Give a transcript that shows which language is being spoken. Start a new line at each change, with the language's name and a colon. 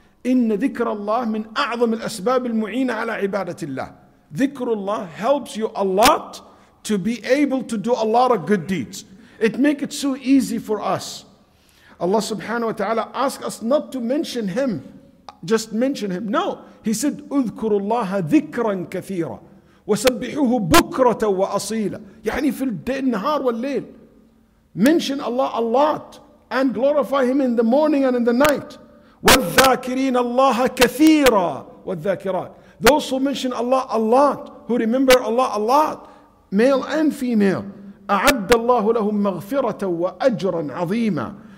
Arabic: إِنَّ ذِكْرَ اللَّهِ مِنْ أَعْظَمِ الْأَسْبَابِ الْمُعِينَ عَلَىٰ عِبَادَةِ اللَّهِ.
English: Dhikrullah helps you a lot to be able to do a lot of good deeds. It makes it so easy for us. Allah subhanahu wa ta'ala asks us not to mention Him, just mention Him. No, He said,
Arabic: اُذْكُرُ اللَّهَ ذِكْرًا كَثِيرًا وَسَبِّحُهُ بُكْرَةً وَأَصِيلًا. يعني في النهار والليل.
English: Mention Allah a lot and glorify Him in the morning and in the night.
Arabic: وَالذَّاكِرِينَ اللَّهَ كَثِيرًا وَالذَّاكِرَاتِ.
English: Those who mention Allah a lot, who remember Allah a lot, male and female.
Arabic: أَعَدَّ اللَّهُ لَهُمْ مَغْفِرَةً وَأَجْرًا عَظِيمًا.